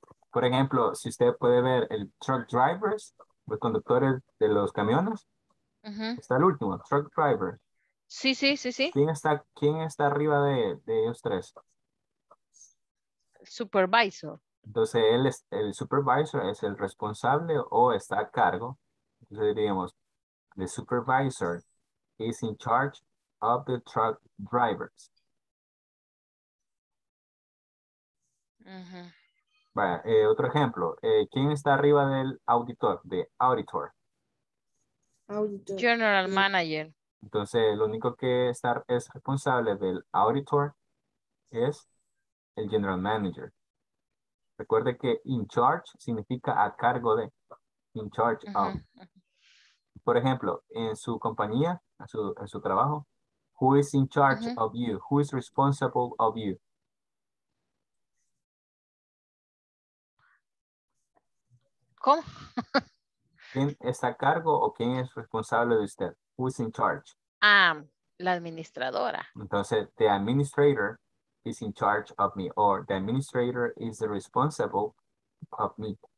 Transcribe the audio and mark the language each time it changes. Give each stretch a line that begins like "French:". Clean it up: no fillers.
Spanish: Por ejemplo, si usted puede ver el truck drivers, los conductores de los camiones, uh-huh. Está el último, truck driver. Sí. ¿Quién está arriba de ellos tres?
English: Supervisor.
Spanish: Entonces, él es el supervisor, es el responsable o está a cargo.
English: Entonces, diríamos, the supervisor is in charge of the truck drivers. Uh-huh.
Spanish: Vaya, otro ejemplo. ¿Quién está arriba del auditor?
English: The auditor. General manager.
Spanish: Entonces, lo único que es responsable del auditor es el general manager. Recuerde que in charge significa a cargo de,
English: in charge of.
Spanish: Uh-huh.
English: Por ejemplo, en su compañía, en su trabajo, who is in charge uh-huh. of you? Who is responsible of you?
Spanish: ¿Cómo? ¿Quién está a cargo o quién es responsable de usted?
English: Who is in charge?
Spanish: La administradora.
English: Entonces, the administrator is in charge of me, or the administrator is the responsible of me.